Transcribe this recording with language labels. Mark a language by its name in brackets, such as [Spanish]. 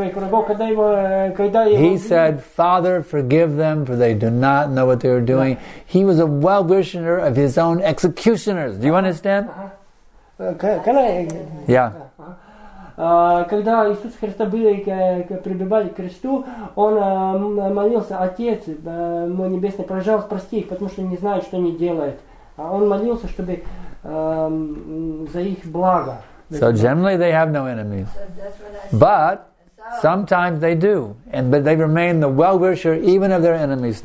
[English] He said, Father, forgive them, for they do not know what they are doing. Yeah. He was a well-wisher of his own executioners. Do you understand? [Russian] Когда Иисус Христа прибивали к кресту, он молился, Отец, мой небесный, пожалуйста, прости их, потому что не знают, что они делают. Он молился, чтобы за их благо. [English] So generally they have no enemies. But sometimes they do. But they remain the well-wisher even of their enemies.